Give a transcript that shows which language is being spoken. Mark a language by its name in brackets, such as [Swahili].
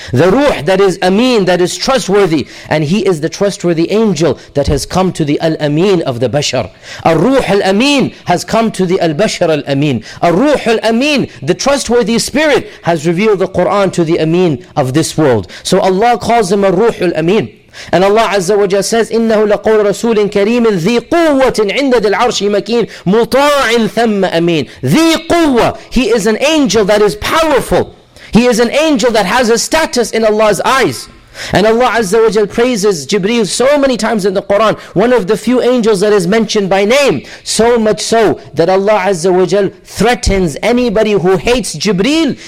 [English] The ruh that is ameen, that is trustworthy. And he is the trustworthy angel that has come to the al-ameen of the bashar. [Arabic] الروح الأمين [English] has come to the al-bashar al-ameen. [Arabic] الروح الأمين, [English] the trustworthy spirit, has revealed the Qur'an to the ameen of this world. So Allah calls him [Arabic] الروح الأمين. [English] And Allah Azza wa Jalla says, [Arabic] إِنَّهُ لَقَوْلَ رَسُولٍ كَرِيمٍ ذِي قُوَّةٍ عِنْدَ ذِي الْعَرْشِ مَكِينٍ مُطَاعٍ ثَمَّ أَمِينٍ. ذِي قُوَّةٍ. [English] He is an angel that is powerful. He is an angel that has a status in Allah's eyes. And Allah Azza wa Jalla praises Jibreel so many times in the Quran. One of the few angels that is mentioned by name. So much so that Allah Azza wa Jalla threatens anybody who hates Jibreel.